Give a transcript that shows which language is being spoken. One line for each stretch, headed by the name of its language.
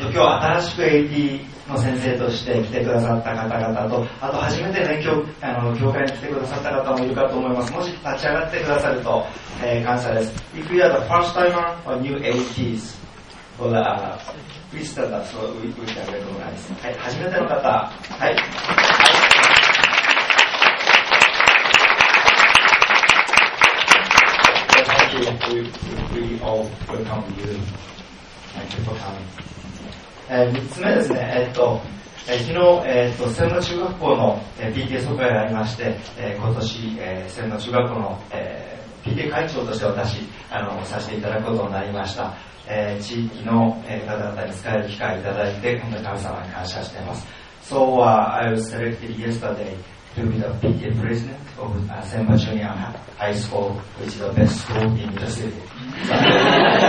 Japanese: 今日新しく AT の先生として来てくださった方々と、あと初めてね、教会に来てくださった方もいるかと思います。もし立ち上がってくださると、感謝です。
English: If you are the first timer or new ATs for the visitors, so we would like to recognize。
Japanese: はい、初めての方、はい、
English: Thank you. We all welcome you. Thank you for coming.
Japanese: 3つ目ですね、昨日、専門中学校の PTA 総会がありまして、今年、専門中学校の、PTA 会長として私させていただくことになりました。地域の、方々に使える機会をいただいて本当に神様に感謝しています。
English: So、I was selected yesterday to be the PTA president of、専門中学校 High School, which is the best school in the city.